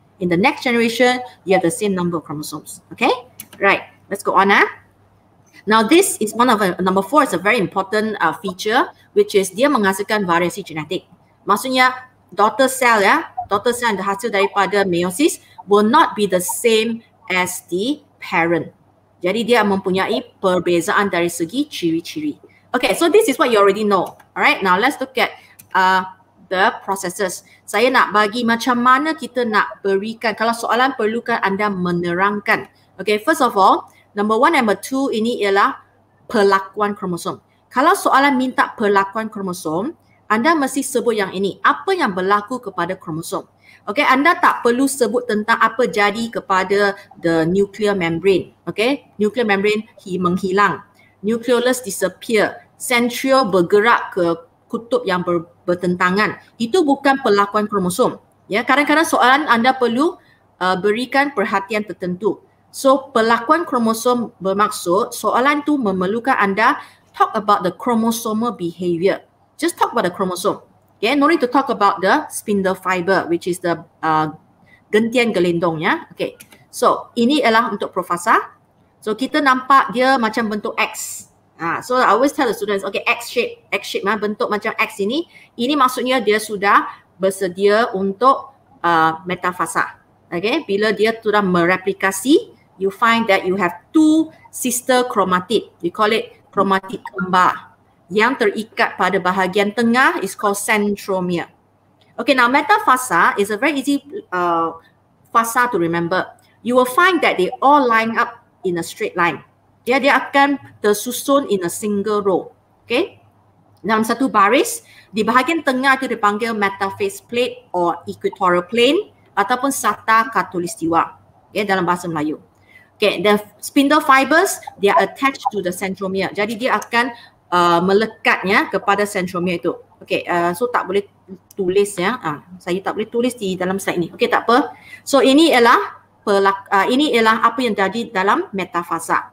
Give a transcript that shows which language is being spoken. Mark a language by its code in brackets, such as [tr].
[en] In the next generation, you have the same number of chromosomes. Okay? Right. Let's go on. Now this is one of, number four is a very important feature, which is [ms] dia menghasilkan variasi genetik. [en] Maksudnya, daughter cell, ya, daughter cell [ms] yang dihasil daripada [en] meiosis will not be the same as the parent. [ms] Jadi dia mempunyai perbezaan dari segi ciri-ciri. [en] Okay, so this is what you already know. Alright, now let's look at the processes. [ms] Saya nak bagi macam mana kita nak berikan, kalau soalan perlukan anda menerangkan. [en] Okay, first of all, number one, number two [ms] ini ialah perlakuan kromosom. Kalau soalan minta perlakuan kromosom, anda mesti sebut yang ini, apa yang berlaku kepada kromosom. Okay, anda tak perlu sebut tentang apa jadi kepada the nuclear membrane. Okay, nuclear membrane menghilang. Nucleolus disappear. Centriole bergerak ke kutub yang bertentangan. Itu bukan perlakuan kromosom. Ya, kadang-kadang soalan anda perlu berikan perhatian tertentu. So, perlakuan kromosom bermaksud soalan tu memerlukan anda [en] talk about the chromosomal behavior. Just talk about the chromosome. Okay, no need to talk about the spindle fiber, which is the gentian gelendong, ya. [ms] Okay, so ini ialah untuk profasa. So kita nampak dia macam bentuk X. [en] So I always tell the students, okay, X shape, ha? [ms] Bentuk macam X ini. Ini maksudnya dia sudah bersedia untuk metafasa. [en] Okay, bila dia sudah mereplikasi, you find that you have two sister chromatid. We call it chromatid kembar. [ms] yang terikat pada bahagian tengah [en] is called centromere. Okay, now metafasa is a very easy fasa to remember. You will find that they all line up in a straight line. [ms] Dia akan tersusun [en] in a single row. [ms] Okay, dalam satu baris, di bahagian tengah itu dipanggil metaphase plate or equatorial plane ataupun sata khatulistiwa. Okay, dalam bahasa Melayu. [en] Okay, the spindle fibers, they are attached to the centromere. [ms] Jadi dia akan melekatnya kepada centromere itu. Okay, so tak boleh tulis ya. Saya tak boleh tulis di dalam slide ini. Okay, tak apa. So ini ialah ini ialah apa yang terjadi dalam metafasa.